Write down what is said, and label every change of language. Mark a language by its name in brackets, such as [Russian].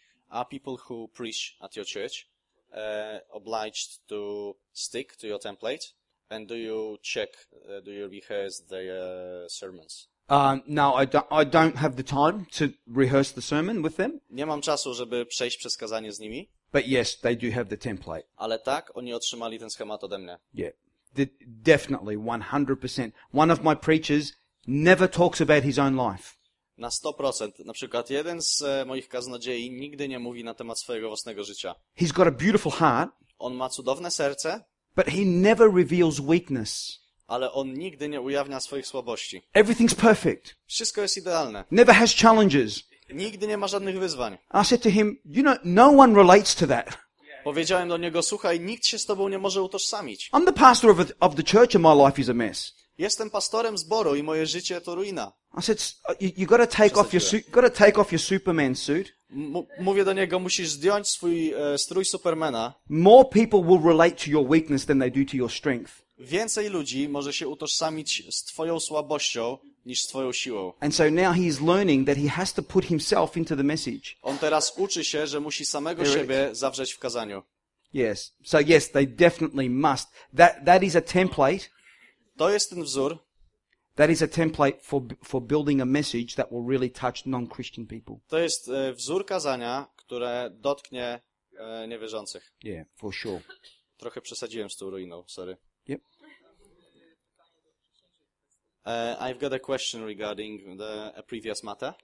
[English] Are people who preach at your church obliged to stick to your template? And do you check, do you rehearse the sermons? No, I don't have the time to rehearse the sermon with them. [Polish] Nie mam czasu, żeby przejść przez kazanie z nimi. [English] But yes, they do have the template. [Polish] Ale tak, oni otrzymali ten schemat ode mnie. [English] Yeah, definitely, 100%. One of my preachers never talks about his own life. [Polish] Na 100%. Na przykład jeden z moich kaznodziei nigdy nie mówi na temat swojego własnego życia. [English] He's got a beautiful heart. [Polish] On ma cudowne serce. [English] But he never reveals weakness. [Polish] Ale on nigdy nie ujawnia swoich słabości. [English] Everything's perfect. [Polish] Wszystko jest idealne. [English] Never has challenges. [Polish] Nigdy nie ma żadnych wyzwań. [English] I said to him, you know, no one relates to that. [Polish] Powiedziałem do niego, słuchaj, nikt się z tobą nie może utożsamić. [English] I'm the pastor of the church and my life is a mess. [Polish] Jestem pastorem zboru i moje życie to ruina. [English] I said, you gotta take off your Superman suit. [Polish] Mówię do niego, musisz zdjąć swój strój Supermana. [English] More people will relate to your weakness than they do to your strength. [Polish] Więcej ludzi może się utożsamić z twoją słabością niż z twoją siłą. [English] And so now he is learning that he has to put himself into the message. [Polish] On teraz uczy się, że musi samego siebie zawrzeć w kazaniu. [English] Yes. So yes, they definitely must. That is a template. [Polish] To jest ten wzór. [English] That is a template for building a message that will really touch non-Christian people. [Polish] To jest wzór kazania, które dotknie niewierzących. [English] Yeah, for sure. [Polish] Trochę przesadziłem z tą ruiną, sorry. [English] Yep. I've got a question regarding the a previous matter.